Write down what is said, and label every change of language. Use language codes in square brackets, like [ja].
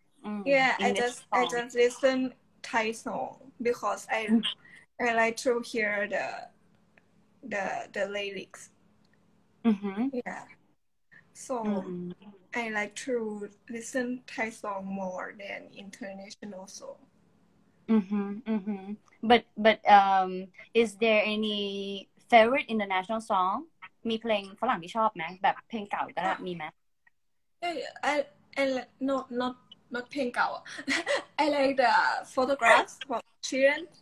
[en] I just listen Thai song because I like to hear the lyrics. I like to listen Thai song more than international song. But is there any favorite international song? [th] มีเพลงฝรั่งที่ชอบไหมแบบเพลงเก่าก็ได้มีไหม [en] I not [th] เพลงเก่า [en] I like the photographs from children.